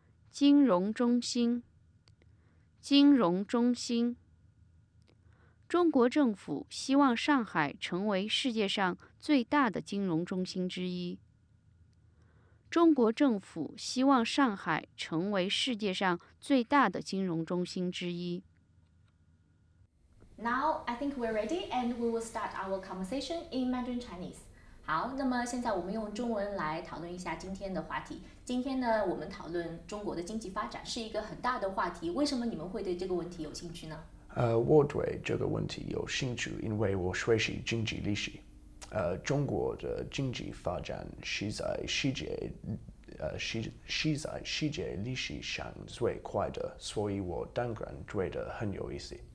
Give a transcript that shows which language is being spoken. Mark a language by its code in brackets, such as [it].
[zh] 金融中心，金融中心。中国政府希望上海成为世界上最大的金融中心之一。中国政府希望上海成为世界上最大的金融中心之一。 [en] Now, I think we're ready and we will start our conversation in Mandarin Chinese. [zh] 好，那么现在我们用中文来讨论一下今天的话题。今天呢，我们讨论中国的经济发展是一个很大的话题。为什么你们会对这个问题有兴趣呢？我对这个问题有兴趣，因为我学习经济历史。中国的经济发展是在世界历史上最快的，所以我当然觉得很有意思。